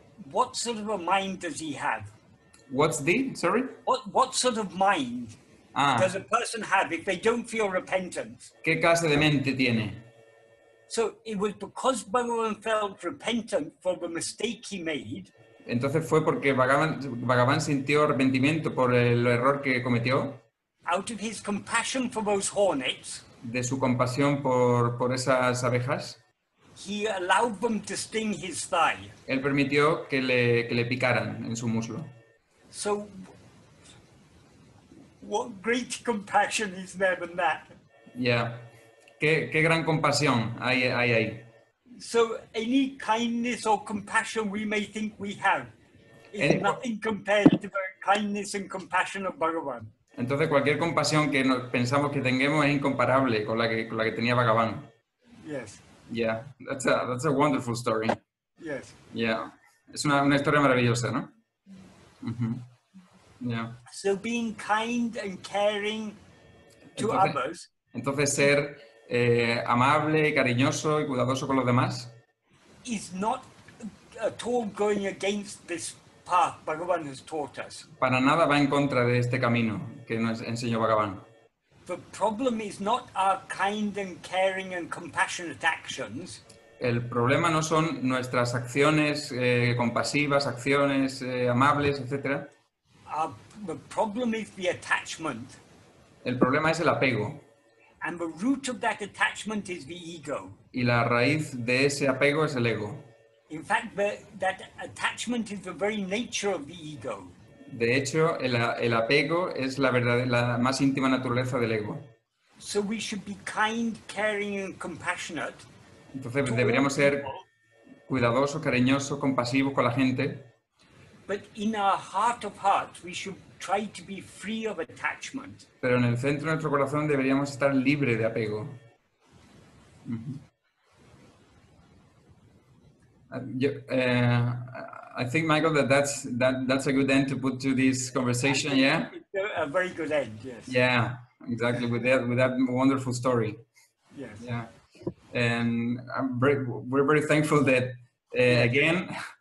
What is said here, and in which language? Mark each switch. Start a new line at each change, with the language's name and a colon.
English: What sort of a mind does he have? What sort of mind does a person have if they don't feel repentance?
Spanish: ¿Qué clase de mente tiene?
English: So it was because Bhagavan felt repentant for the mistake he made.
Spanish: Entonces fue porque Bhagavan sintió arrepentimiento por el error que cometió.
English: Out of his compassion for those hornets.
Spanish: De su compasión por esas abejas.
English: He allowed them to sting his thigh.
Spanish: Él permitió que le picaran en su muslo.
English: So, what great compassion is there than that?
Spanish: Yeah, qué gran compasión hay ahí.
English: So, any kindness or compassion we may think we have is nothing compared to the kindness and compassion of Bhagavan.
Spanish: Entonces, cualquier compasión que pensamos que tengamos es incomparable con la que tenía Bhagavan.
English: Yes. Yeah, that's a wonderful story. Yes.
Spanish: Yeah, es una historia maravillosa, ¿no? Mm-hmm. Yeah.
English: So being kind and caring to others.
Spanish: Entonces ser amable, cariñoso y cuidadoso con los demás.
English: Is not at all going against this path Bhagavan has taught us.
Spanish: Para nada va en contra de este camino que nos enseñó Bhagavan.
English: The problem is not our kind and caring and compassionate actions.
Spanish: El problema no son nuestras acciones compasivas, acciones amables, etc.
English: The problem is the attachment.
Spanish: El problema es el apego.
English: And the root of that attachment is the ego.
Spanish: Y la raíz de ese apego es el ego.
English: In fact, that attachment is the very nature of the ego.
Spanish: De hecho, el apego es la más íntima naturaleza del ego.
English: So we should be kind, caring, and compassionate.
Spanish: Entonces deberíamos ser cuidadosos, cariñosos, compasivos con la gente.
English: But in our heart of hearts, we should try to be free of attachment.
Spanish: Pero en el centro de nuestro corazón deberíamos estar libre de apego.
English: I think, Michael, that's a good end to put to this conversation. Yeah, a very good end. Yes. Yeah, exactly. With that wonderful story. Yes. Yeah, and we're very thankful that again.